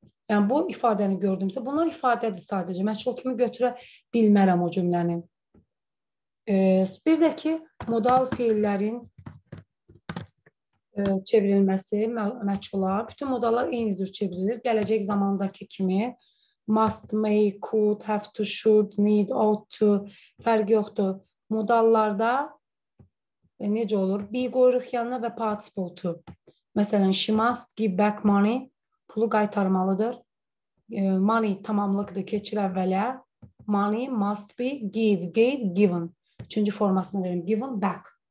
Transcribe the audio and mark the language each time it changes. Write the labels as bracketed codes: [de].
[az] Yəni, bu ifadəni gördümsə, bunlar ifadədir sadəcə. Məhçul kimi götürə bilmərəm o cümləni. Bir də ki, modal fiillərin çevrilməsi məçhula. Bütün modallar eyni cür çevrilir. Gələcək zamandakı kimi. Must, may, could, have to, should, need, ought to. Fərq yoxdur. Modallarda necə olur? Be qoyuruq yanına və participle to. Məsələn, [en] she must give back money. [az] Pulu qaytarmalıdır. Money tamamlıqdır. Keçir əvvələ. [en] Money must be give, gave, given. [az] Üçüncü formasını verim. Given back.